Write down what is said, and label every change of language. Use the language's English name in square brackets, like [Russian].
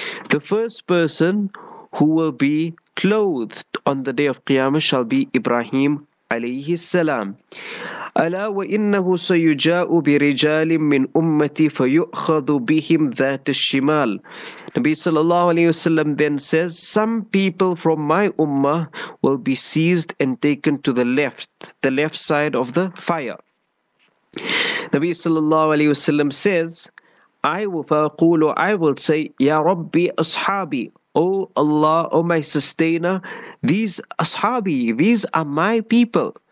[English] The first person who will be clothed on the day of Qiyamah shall be Ibrahim عَلَيْهِ السَّلَامُ. [Arabic] ألا وإنه سيجاء برجال من أمتي فيؤخذ بهم ذات الشمال. [English] Nabi sallallahu alayhi wa sallam then says, some people from my ummah will be seized and taken to the left side of the fire. Nabi sallallahu alayhi wa sallam says, I will say, Ya Rabbi ashabi, O Allah, O my sustainer, these ashabi, these are my people.